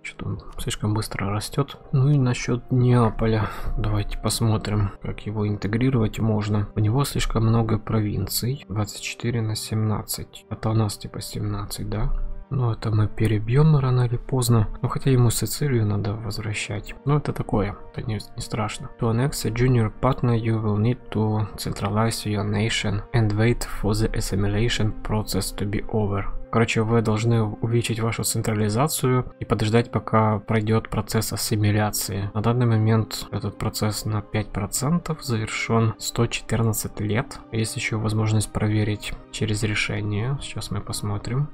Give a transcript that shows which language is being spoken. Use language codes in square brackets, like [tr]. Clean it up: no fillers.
[ru] Что-то он слишком быстро растет. Ну и насчет Неаполя. Давайте посмотрим, как его интегрировать можно. У него слишком много провинций. 24 на 17. Это у нас типа 17, да? Ну, это мы перебьем рано или поздно. Ну, хотя ему Сицилию надо возвращать. Ну, это такое. Это не страшно. [en] To annex a junior partner, you will need to centralize your nation and wait for the assimilation process to be over. [ru] Короче, вы должны увеличить вашу централизацию и подождать, пока пройдет процесс ассимиляции. На данный момент этот процесс на 5% завершен, 114 лет. Есть еще возможность проверить через решение. Сейчас мы посмотрим.